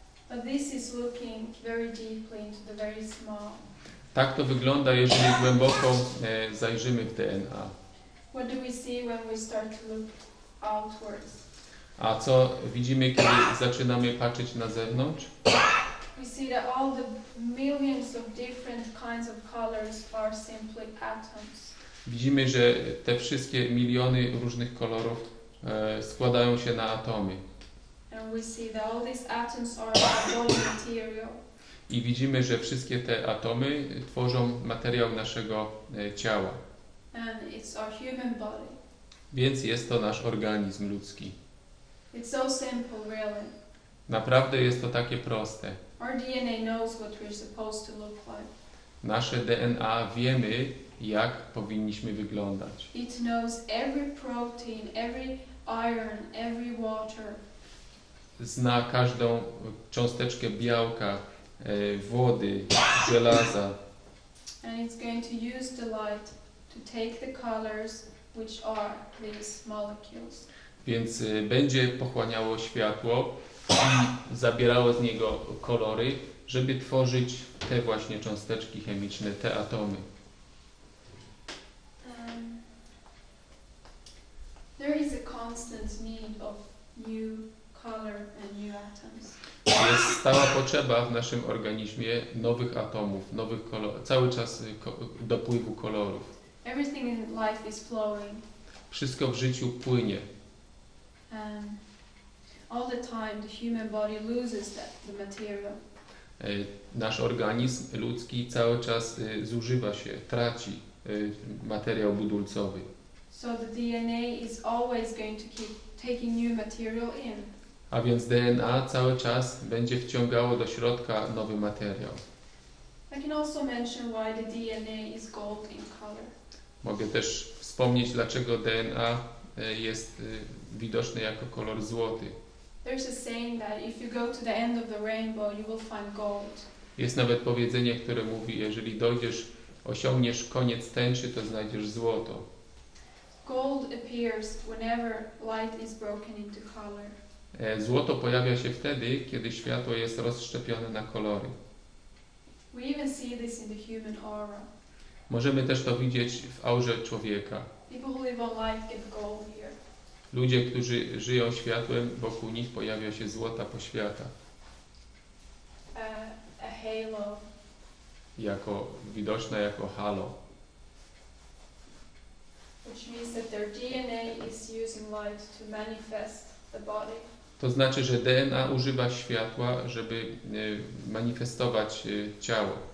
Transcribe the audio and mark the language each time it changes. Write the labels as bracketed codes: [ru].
[en] But this is looking very deeply into the very small. [pl] Tak to wygląda, jeżeli głęboko zajrzymy w DNA. [en] What do we see when we start to look outwards? [pl] A co widzimy, kiedy zaczynamy patrzeć na zewnątrz? [en] We see that all the millions of different kinds of colors are simply atoms. [pl] Widzimy, że te wszystkie miliony różnych kolorów składają się na atomy. [en] And we see that all these atoms are raw material. [pl] I widzimy, że wszystkie te atomy tworzą materiał naszego ciała. [en] And it's our human body. [pl] Więc jest to nasz organizm ludzki. [en] It's so simple, really. [pl] Naprawdę jest to takie proste. [en] Our DNA knows what we're supposed to look like. [pl] Nasze DNA wiemy, jak powinniśmy wyglądać. [en] It knows every protein, every iron, every water. [pl] Zna każdą cząsteczkę białka, wody, żelaza. [en] And it's going to use the light to take the colors which are these molecules. [pl] Więc będzie pochłaniało światło i zabierało z niego kolory, żeby tworzyć te właśnie cząsteczki chemiczne, te atomy. [en] There is a constant need of new color and new atoms. [pl] Jest stała potrzeba w naszym organizmie nowych atomów, nowych kolorów, cały czas dopływu kolorów. [en] Everything in life is flowing. [pl] Wszystko w życiu płynie. [en] All the time the human body loses that the material. [pl] Nasz organizm ludzki cały czas zużywa się, traci materiał budulcowy. [en] So the DNA is always going to keep taking new material in. [pl] A więc DNA cały czas będzie wciągało do środka nowy materiał. [en] I can also mention why the DNA is gold in color. [pl] Mogę też wspomnieć, dlaczego DNA jest widoczny jako kolor złoty. [en] There's a saying that if you go to the end of the rainbow, you will find gold. [pl] Jest nawet powiedzenie, które mówi, jeżeli dojdziesz, osiągniesz koniec tęczy, to znajdziesz złoto. [en] Gold appears whenever light is broken into color. [pl] Złoto pojawia się wtedy, kiedy światło jest rozszczepione na kolory. [en] We even see this in the human aura. [pl] Możemy też to widzieć w aurze człowieka. [en] People who live on light get gold here. [pl] Ludzie, którzy żyją światłem, wokół nich pojawia się złota poświata. [en] A halo. [pl] Jako widoczne jako halo. [en] Which means that their DNA is using light to manifest the body. [pl] To znaczy, że DNA używa światła, żeby manifestować ciało.